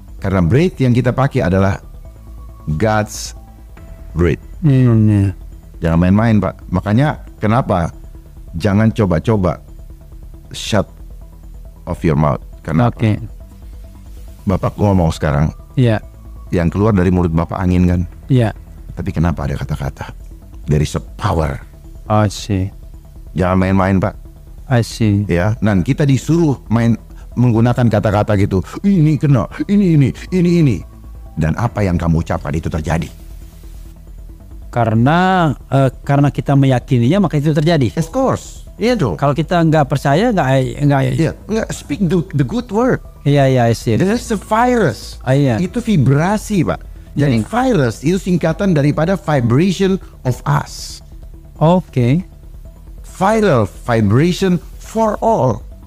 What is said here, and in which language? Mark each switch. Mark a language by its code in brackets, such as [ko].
[id] Karena breath yang kita pakai adalah [en] God's breath. Yeah. [id] Jangan main-main, Pak. Makanya kenapa? Jangan coba-coba [en] shut off your mouth. [id] Karena okay. Bapak ngomong sekarang. Iya. Yeah. Yang keluar dari mulut Bapak angin kan? Iya. Yeah. Tapi kenapa ada kata-kata? [en] There is a power. I see. [id] Jangan main-main, Pak. [en] I see. [id] Ya, dan kita disuruh main menggunakan kata-kata gitu. Ini kena, ini. Dan apa yang kamu ucapkan itu terjadi. Karena kita meyakininya maka itu terjadi. [en] Of course. [id] Iya dong. Kalau kita enggak percaya enggak ya, enggak [en] speak the good word. Iya, yeah, iya, yeah, I see. That's a virus. Yeah. [id] Itu vibrasi, Pak. Jadi yeah. Virus itu singkatan daripada [en] vibration of us. Oke. Okay. Viral vibration for all.